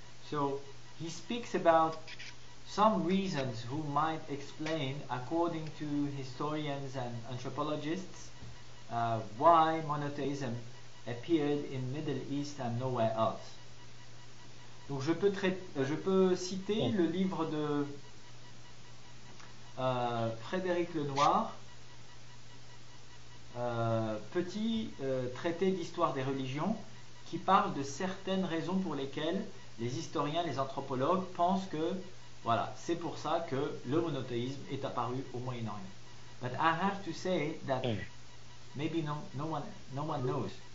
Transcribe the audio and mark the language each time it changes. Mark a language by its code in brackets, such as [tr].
[en] So he speaks about some reasons who might explain, according to historians and anthropologists, why monotheism appeared in Middle East and nowhere else. [fr] Donc je peux citer le livre de Frédéric Lenoir, Petit traité d'histoire des religions, qui parle de certaines raisons pour lesquelles les historiens, les anthropologues pensent que voilà, c'est pour ça que le monothéisme est apparu au Moyen-Orient. [en] But I have to say that maybe no one knows.